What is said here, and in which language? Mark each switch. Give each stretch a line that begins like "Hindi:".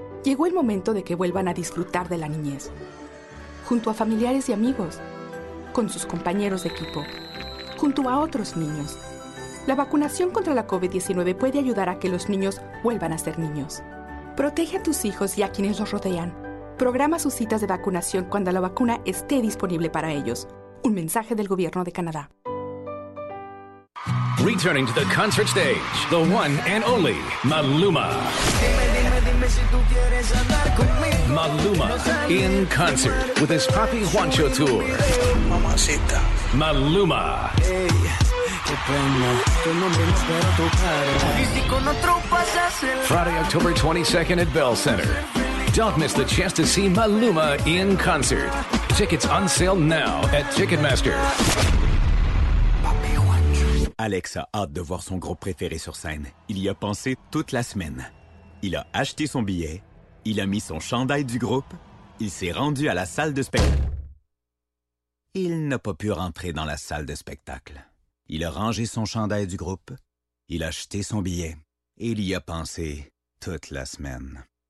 Spanish: Llegó el momento de que vuelvan a disfrutar de la niñez, junto a familiares y amigos, con sus compañeros de equipo, junto a otros niños. La vacunación contra la COVID-19 puede ayudar a que los niños vuelvan a ser niños. Protege a tus hijos y a quienes los rodean. Programa sus citas de vacunación cuando la vacuna esté disponible para ellos. Un mensaje del Gobierno de Canadá.
English: returning to the concert stage, the one and only Maluma. Maluma in concert with his Papi Juancho tour. Maluma. Friday, October 22nd at Bell Center. Don't miss the chance to see Maluma in concert. Tickets on sale now at Ticketmaster.
French: Alex a hâte de voir son groupe préféré sur scène. Il y a pensé toute la semaine. Il a acheté son billet, il a mis son chandail du groupe, il s'est rendu à la salle de spectacle. Il n'a pas pu rentrer dans la salle de spectacle. Il a rangé son chandail du groupe, il a acheté son billet et il y a pensé toute la semaine.